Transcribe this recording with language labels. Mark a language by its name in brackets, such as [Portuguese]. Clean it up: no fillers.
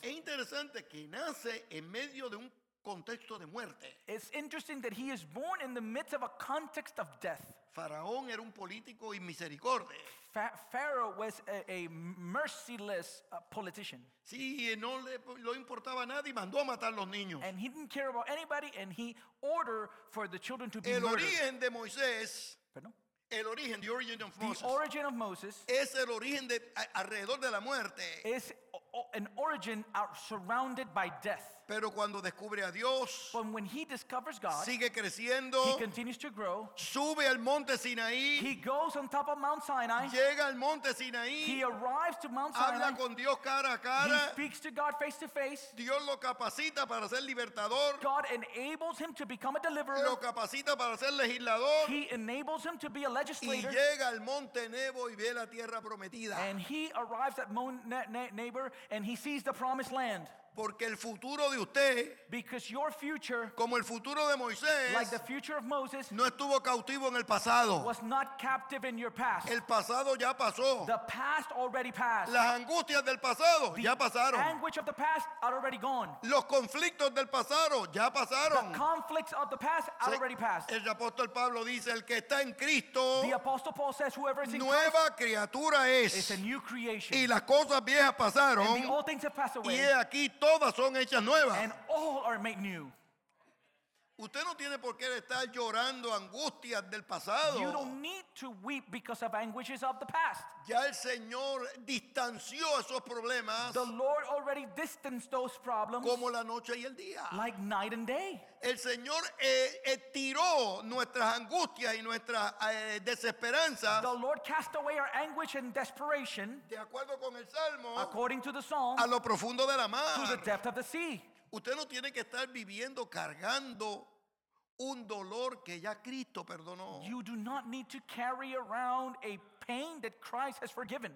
[Spanish] Es interesante que nace en medio de un contexto de muerte. [English] It's interesting that he is born in the midst of a context of death. [Spanish] Faraón era un político y misericordia. [English] Pharaoh was a merciless politician. [Spanish] Sí, no le lo importaba a nadie, mandó a matar los niños. [English] And he didn't care about anybody, and he ordered for the children to be [Spanish] el [English] murdered. [Spanish] El origen de Moisés. Perdón. El origen, [English] the origin of Moses. The origin of Moses [Spanish] es el origen de alrededor de la muerte. [English] Is an origin surrounded by death. [Spanish] Pero cuando descubre a Dios, [English] but when he discovers God, [Spanish] sigue creciendo, [English] he continues to grow. [Spanish] Sube al monte Sinaí, [English] he goes on top of Mount Sinai. [Spanish] Llega al monte Sinaí, [English] he arrives to Mount [Spanish] habla [English] Sinai. [Spanish] Habla con Dios cara a cara, [English] he speaks to God face to face. [Spanish] Dios lo capacita para ser libertador, [English] God enables him to become a deliverer. [Spanish] Lo capacita para ser legislador, [English] he enables him to be a legislator. [Spanish] Y llega al monte Nebo y ve la tierra prometida. [English] And he arrives at Mount Nebo and he sees the promised land. [Spanish] Porque el futuro de usted, [English] because your future, [Spanish] como el futuro de Moisés, [English] like the future of Moses, [Spanish] no estuvo cautivo en el pasado. [English] Was not captive in your past. [Spanish] El pasado ya pasó. [English] The past already passed. [Spanish] Las angustias del pasado [English] the [Spanish] ya pasaron. [English] Anguish of the past are already gone. [Spanish] Los conflictos del pasado ya pasaron. [English] The conflicts of the past are already passed. [Spanish] El apóstol Pablo dice, el que está en Cristo, [English] the apostle Paul says, whoever is in [Spanish] nueva [English] Christ, [Spanish] criatura es. [English] Is a new creation. [Spanish] Y las cosas viejas pasaron. [English] And the old things have passed away. [Spanish] Y aquí todas son hechas nuevas. [English] And all are made new. [Spanish] Usted no tiene por qué estar llorando angustias del pasado. [English] You don't need to weep because of anguishes of the past. [Spanish] Ya el Señor distanció esos problemas. [English] The Lord already distanced those problems. [Spanish] Como la noche y el día. [English] Like night and day. [Spanish] El Señor tiró nuestras angustias y nuestra desesperanza. [English] The Lord cast away our anguish and desperation. [Spanish] De acuerdo con el Salmo. [English] According to the Psalm. [Spanish] A lo profundo de la mar. [English] To the depth of the sea. [Spanish] Usted no tiene que estar viviendo cargando un dolor que ya Cristo perdonó. [English] You do not need to carry around a pain that Christ has forgiven.